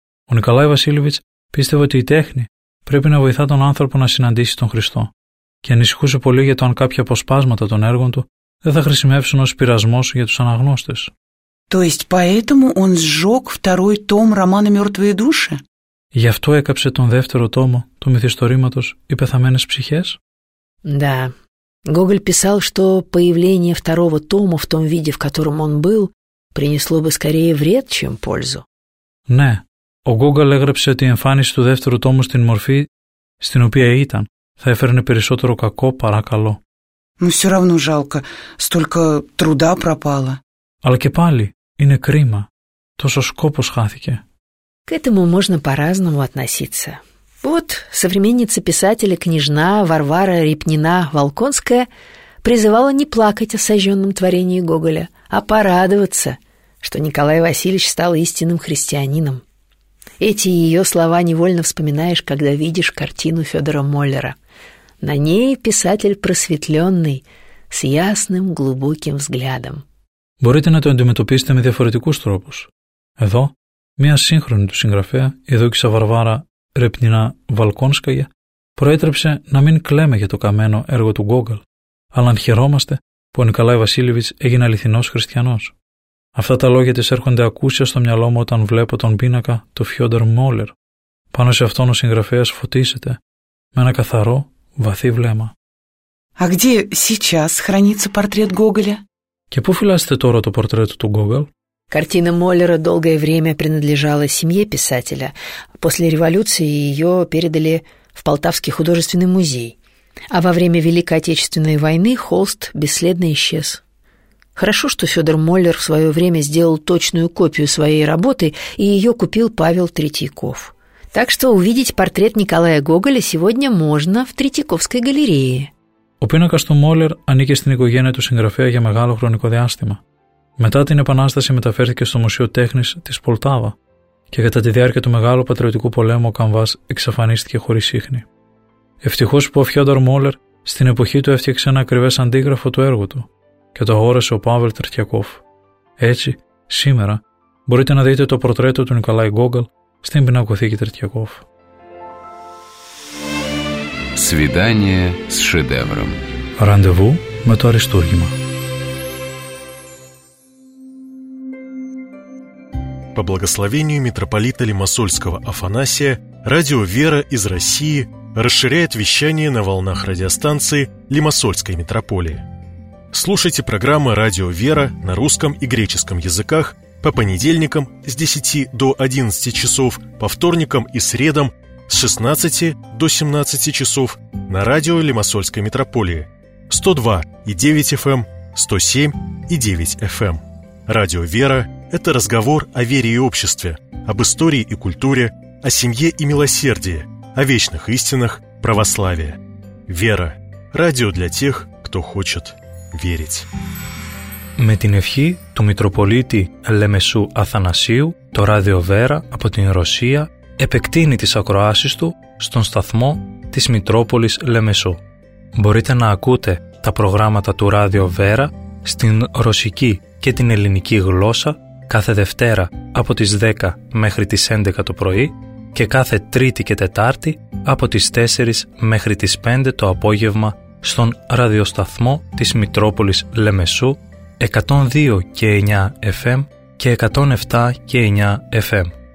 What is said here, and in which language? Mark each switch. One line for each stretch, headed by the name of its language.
Greek: Ο Николай Васильевич πίστευε ότι η τέχνη πρέπει να βοηθά τον άνθρωπο να συναντήσει τον Χριστό και ανησυχούσε πολύ για το αν κάποια αποσπάσματα των έργων του δεν θα χρησιμεύσουν ως πειρασμός για τους αναγνώστες.
Russian: То есть поэтому он сжег второй том романа «Мертвые души»?
Greek: Γι' αυτό έκαψε τον δεύτερο τόμο του μυθιστορήματος «Οι πεθαμένες ψυχές»?
Russian: Да. Гоголь писал, что появление второго тома в том виде, в котором он был, принесло бы скорее вред, чем пользу.
Greek: Ναι. Ο Гоголь έγραψε ότι η εμφάνιση του δεύτερου τόμου στην μορφή στην οποία ήταν θα έφερνε περισσότερο κακό παρά καλό.
Russian: Но все равно жалко. Столько труда пропало.
Greek: Αλλά και πάλι, είναι κρίμα. Тоσο σκόπος χάθηκε.
Russian: К этому можно по-разному относиться. Вот современница писателя, княжна Варвара Репнина-Волконская призывала не плакать о сожженном творении Гоголя, а порадоваться, что Николай Васильевич стал истинным христианином. Эти ее слова невольно вспоминаешь, когда видишь картину Федора Моллера. На ней писатель просветленный, с ясным, глубоким взглядом. Можете на это антиметопиться с διафоретикой тропус.
Greek: Εδώ, μια σύγχρονη του συγγραφέα, η δόκισσα Βαρβάρα Ρεπνινά-Βαλκόνσκαγια, προέτρεψε να μην κλαίμε για το καμένο έργο του Γκόγκαλ, αλλά να χαιρόμαστε που ο Νικολάη Βασίλειβιτς έγινε αληθινός χριστιανός. Αυτά τα λόγια της έρχονται ακούσια στο μυαλό μου όταν βλέπω τον πίνακα του Φιόντορ Μόλερ. Πάνω σε αυτόν ο συγγραφέας φωτίσεται με ένα καθαρό, βαθύ βλέμμα.
Russian: «Α, где сейчас хранится портрет Гоголя?»
Greek: «Και πού φυλάσσετε τώρα το πορτρέτο του Γκόγκαλ?»
Russian: Картина Моллера долгое время принадлежала семье писателя. После революции ее передали в Полтавский художественный музей. А во время Великой Отечественной войны холст бесследно исчез. Хорошо, что Федор Моллер в свое время сделал точную копию своей работы, и ее купил Павел Третьяков. Так что увидеть портрет Николая Гоголя сегодня можно в Третьяковской галерее.
Greek: Ο πίνακας του Моллер ανήκει στην οικογένεια του συγγραφέα για μεγάλο χρονικό διάστημα. Μετά την Επανάσταση μεταφέρθηκε στο Μουσείο Τέχνης της Πολτάβα και κατά τη διάρκεια του Μεγάλου Πατριωτικού Πολέμου ο καμβάς εξαφανίστηκε χωρίς ίχνη. Ευτυχώς που ο Φιόντορ Μόλερ στην εποχή του έφτιαξε ένα ακριβές αντίγραφο του έργου του και το αγόρασε ο Παύλ Τερτιακόφ. Έτσι, σήμερα μπορείτε να δείτε το πορτρέτο του Νικολάη Γκόγκαλ στην Πινακοθήκη Τερτιακόφ. Ραντεβού με το Αριστούργημα.
Russian: По благословению митрополита Лимассольского Афанасия, радио «Вера» из России расширяет вещание на волнах радиостанции Лимассольской митрополии. Слушайте программы «Радио «Вера» на русском и греческом языках по понедельникам с 10 до 11 часов, по вторникам и средам с 16 до 17 часов на радио Лимассольской митрополии 102.9 FM, 107.9 FM. Радио «Вера» – это разговор о вере и обществе, об истории и культуре, о семье и милосердии, о вечных истинах православия. «Вера» – радио для тех, кто хочет верить.
Greek: Με την ευχή του Μητροπολίτη Λεμεσού Αθανασίου, το Ράδιο «Βέρα» από την Ρωσία επεκτείνει τις ακροάσεις του στον σταθμό της Μητρόπολης Λεμεσού. Μπορείτε να ακούτε τα προγράμματα του Ράδιο «Βέρα» στην ρωσική και την ελληνική γλώσσα κάθε Δευτέρα από τις 10 μέχρι τις 11 το πρωί και κάθε Τρίτη και Τετάρτη από τις 4 μέχρι τις 5 το απόγευμα στον ραδιοσταθμό της Μητρόπολης Λεμεσού 102.9 FM και 107.9 FM.